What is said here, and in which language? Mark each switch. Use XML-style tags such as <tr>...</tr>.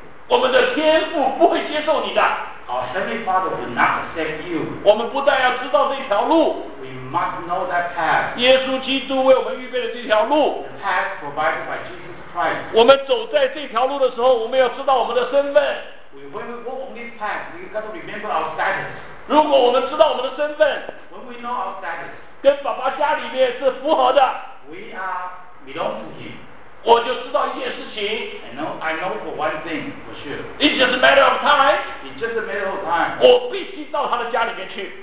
<zh>我们的天父不会接受你的。</zh> <en>Our heavenly father will not accept you.</en> <zh>我们不但要知道这条路</zh> <en>，We must know that path.</en> <zh>耶稣基督为我们预备了这条路</zh> <en>，The path provided by Jesus.</en> <zh>我们走在这条路的时候，我们要知道我们的身份。</zh> <en>When we walk on this path, we got to remember our status.</en> <zh>如果我们知道我们的身份</zh> <en>，When we know our status,</en> <zh>跟爸爸家里面是符合的</zh> <en>，We are belong to him.</en> <zh>我就知道一件事情</zh> <en>，I know for one thing for sure. It's just a matter of time. It's just a matter of time.</en> <zh>我必须到他的家里面去。</zh>